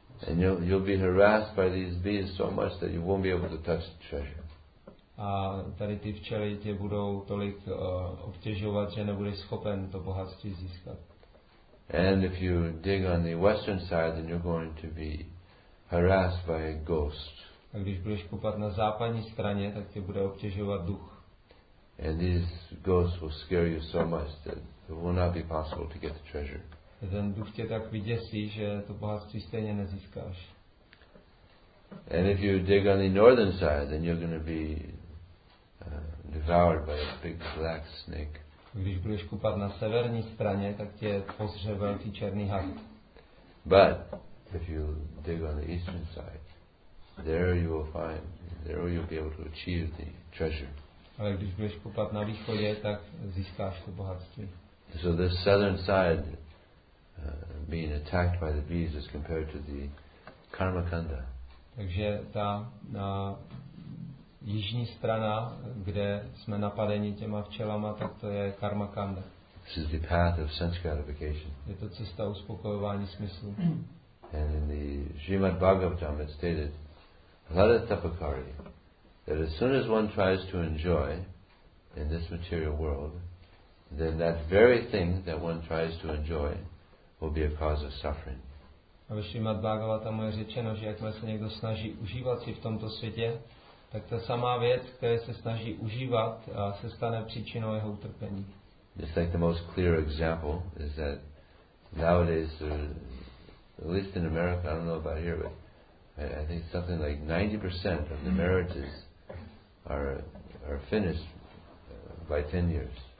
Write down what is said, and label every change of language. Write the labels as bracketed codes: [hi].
[en] And you'll be harassed by these bees so much that you won't be able to touch the treasure. [cs] A tady ty včely tě budou tolik obtěžovat, že nebudeš schopen to bohatství získat. [en] And if you dig on the western side, then you're going to be harassed by a ghost. [cs] A když budeš kopat na západní straně, tak tě bude obtěžovat duch. [en] And these ghosts will scare you so much that it will not be possible to get the treasure. [cs] A ten duch tě tak vyděsí, že to bohatství stejně nezískáš. [en] And if you dig on the northern side, then you're going to be devoured by a big black snake. [cs] Když budeš kupat na severní straně, tak tě pozře velký černý had. [en] But if you dig on the eastern side, there you will find, there you will be able to achieve the treasure. [cs] Ale když budeš kopat na východě, tak získáš to bohatství. [en] So this southern side being attacked by the bees is compared to the Karmakanda. [cs] Takže ta jižní strana, kde jsme napadeni těma včelama, tak to je Karmakanda. [en] This is the path of sense gratification. [cs] Je to cesta uspokojování smyslu. [en] And in the Srimad Bhagavatam it stated, Lada Tapakari, that as soon as one tries to enjoy in this material world, then that very thing that one tries to enjoy will be a cause of suffering. [cs] A ve Srimad Bhagavatam je řečeno, že jakmile se někdo snaží užívat si v tomto světě, tak ta samá věc, které se snaží užívat, se stane příčinou jeho utrpení. [en] Just like the most clear example is that nowadays, at least in America, I don't know about here, but I think something like 90% of the marriages are finished by 10 years.